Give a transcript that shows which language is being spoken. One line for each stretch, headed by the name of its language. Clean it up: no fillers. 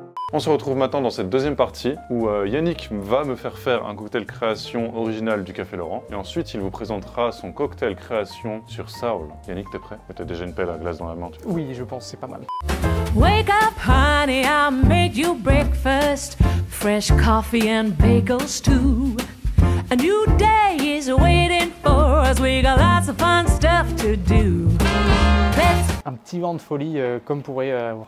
French: On se retrouve maintenant dans cette deuxième partie où Yannick va me faire faire un cocktail création original du Café Laurent et ensuite il vous présentera son cocktail création sur Saul. Yannick, t'es prêt? T'as déjà une pelle à glace dans la main, tu vois? Oui, je pense, c'est pas mal.
English: Wake up honey, I made you breakfast. Fresh coffee and bagels too. A new day is waiting for us. We got lots of fun stuff to do.
French: Un petit vent de folie comme pourrait avoir.